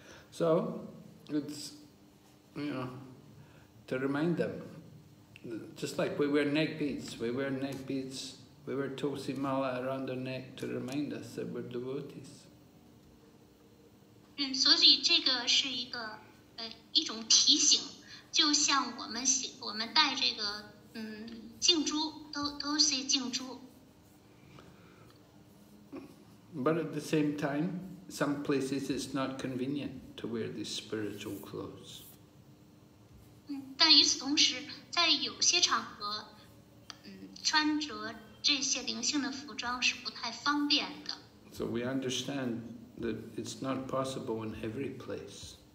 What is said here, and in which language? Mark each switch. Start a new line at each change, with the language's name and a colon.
English: So, to remind them, just like we wear neck beads, we wear tulsi mala around our neck to remind us that we're devotees.
Chinese: 所以这个是一种提醒，就像我们带这个静珠都是静珠。
English: But at the same time, some places it's not convenient to wear these spiritual clothes.
Chinese: 但与此同时，在有些场合，穿着这些灵性的服装是不太方便的。So
English: we understand that it's not possible in every place.